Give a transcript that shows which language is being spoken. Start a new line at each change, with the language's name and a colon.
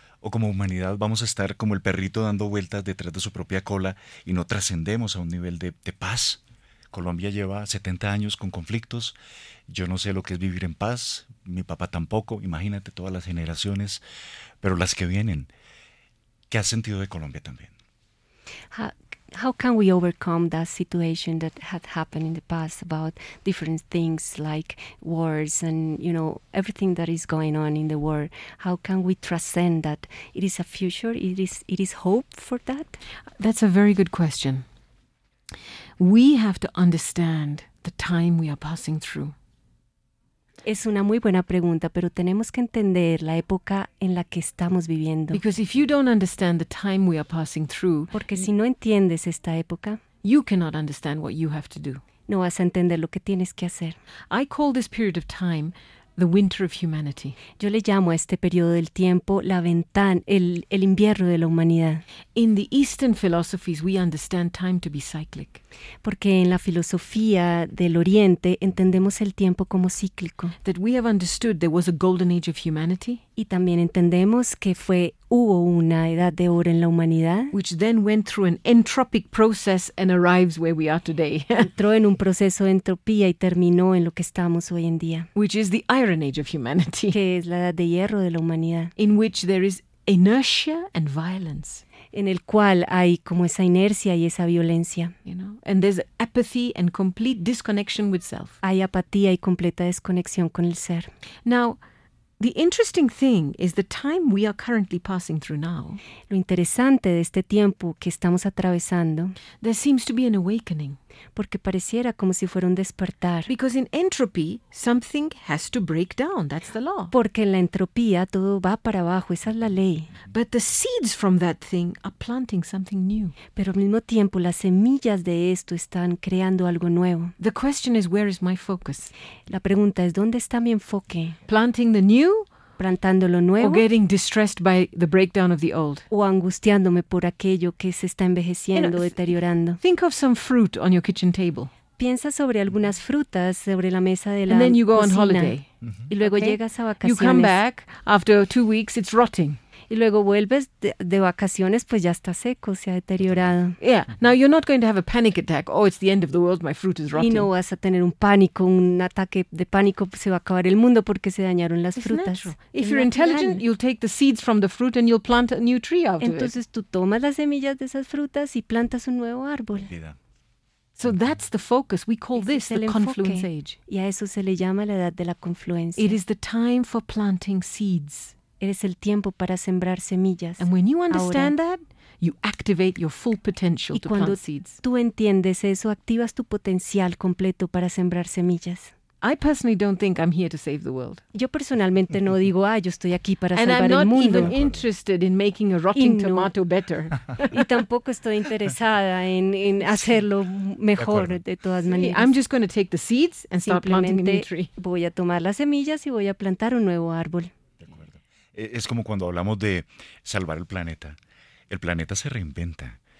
Spanish: ¿O como humanidad vamos a estar como el perrito dando vueltas detrás de su propia cola y no trascendemos a un nivel de paz? Colombia lleva 70 años con conflictos. Yo no sé lo que es vivir en paz. Mi papá tampoco. Imagínate todas las generaciones, pero las que vienen. ¿Qué has sentido de Colombia también?
English: How can we overcome that situation that had happened in the past about different things like wars and, you know, everything that is going on in the world? How can we transcend that? It is a future. It is hope for that. That's a very good question. We have to understand the time we are passing through.
Spanish: Es una muy buena pregunta, pero tenemos que entender la época en la que estamos viviendo.
English: Because if you don't understand the time we are passing through,
Spanish: porque si no entiendes esta época,
English: you cannot understand what you have to do.
Spanish: No vas a entender lo que tienes que hacer.
English: I call this period of time the winter of humanity.
Spanish: Yo le llamo a este periodo del tiempo la ventana, el invierno de la humanidad.
English: In the Eastern philosophies, we understand time to be cyclic.
Spanish: Porque en la filosofía del Oriente entendemos el tiempo como cíclico.
English: That we have understood there was a golden age of humanity.
Spanish: Y también entendemos que hubo una edad de oro en la humanidad.
English: Which then went through an entropic process and arrives where we are today.
Spanish: Entró en un proceso de entropía y terminó en lo que estamos hoy en día.
English: Which is the iron age of humanity.
Spanish: Que es la edad de hierro de la humanidad.
English: In which there is inertia and violence.
Spanish: En el cual hay como esa inercia y esa violencia.
English: You know? And there's apathy and complete disconnection with self.
Spanish: Hay apatía y completa desconexión con el ser.
English: Now, the interesting thing is the time we are currently passing through now.
Spanish: Lo interesante de este tiempo que estamos atravesando.
English: There seems to be an awakening.
Spanish: Porque pareciera como si fuera un despertar.
English: Because in entropy, something has to break down. That's the law.
Spanish: Porque en la entropía todo va para abajo. Esa es la ley.
English: But the seeds from that thing are planting something new.
Spanish: Pero al mismo tiempo, las semillas de esto están creando algo nuevo.
English: The question is, where is my focus?
Spanish: La pregunta es, ¿dónde está mi enfoque?
English: Planting the new?
Spanish: Plantando lo nuevo.
English: Or getting distressed by the breakdown of the old.
Spanish: O angustiándome por aquello que se está envejeciendo, deteriorando.
English: Think of some fruit on your kitchen table.
Spanish: Piensa sobre algunas frutas sobre la mesa de la cocina.
English: And then you go on holiday.
Spanish: Y luego llegas a vacaciones.
English: You come back after 2 weeks, it's rotting.
Spanish: Y luego vuelves de vacaciones, pues ya está seco, se ha deteriorado.
English: Yeah, now you're not going to have a panic attack. Oh, it's the end of the world, my fruit is rotting.
Spanish: Y no vas a tener un pánico, un ataque de pánico, se va a acabar el mundo porque se dañaron las frutas.
English: If you're intelligent, you'll take the seeds from the fruit and you'll plant a new tree after it.
Spanish: Entonces tú tomas las semillas de esas frutas y plantas un nuevo árbol.
English: So that's the focus. We call this the confluence age.
Spanish: Y a eso se le llama la edad de la confluencia.
English: It is the time for planting seeds.
Spanish: Eres el tiempo para sembrar semillas.
English: And when you understand that, you activate your full potential to plant seeds.
Spanish: Y cuando tú entiendes eso, activas tu potencial completo para sembrar semillas.
English: I personally don't think I'm here to save the world.
Spanish: Yo personalmente no digo, yo estoy aquí para
English: and
Spanish: salvar
English: I'm not
Spanish: el mundo.
English: Even interested in making a rotting tomato better.
Spanish: Y tampoco estoy interesada en hacerlo mejor de todas maneras.
English: I'm just going to take the seeds and start planting a new tree.
Spanish: Voy a tomar las semillas y voy a plantar un nuevo árbol. Es como cuando hablamos de salvar el planeta. El planeta se reinventa.